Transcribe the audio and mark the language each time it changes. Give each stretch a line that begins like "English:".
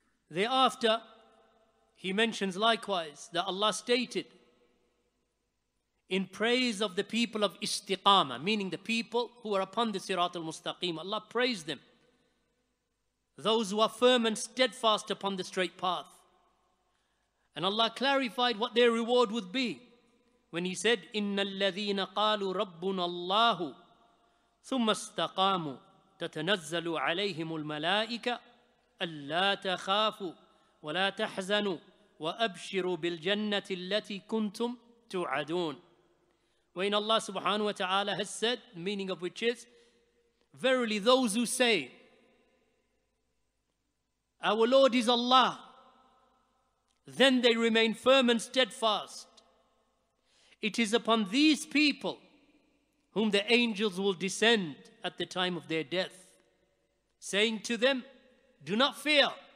English: Thereafter, he mentions likewise that Allah stated in praise of the people of istiqama, meaning the people who are upon the sirat al-mustaqim, Allah praised them, those who are firm and steadfast upon the straight path. And Allah clarified what their reward would be when he said,
Arabic: إِنَّ الَّذِينَ قَالُوا رَبُّنَ اللَّهُ ثُمَّ اسْتَقَامُوا تَتَنَزَّلُ عَلَيْهِمُ الْمَلَائِكَةُ أَلَّا تَخَافُوا وَلَا تَحْزَنُوا وَأَبْشِرُوا بِالْجَنَّةِ الَّتِي كُنْتُمْ تُعَدُونَ.
English: When Allah subhanahu wa ta'ala has said, meaning of which is, verily those who say, our Lord is Allah, then they remain firm and steadfast. It is upon these people whom the angels will descend at the time of their death, saying to them, do not fear.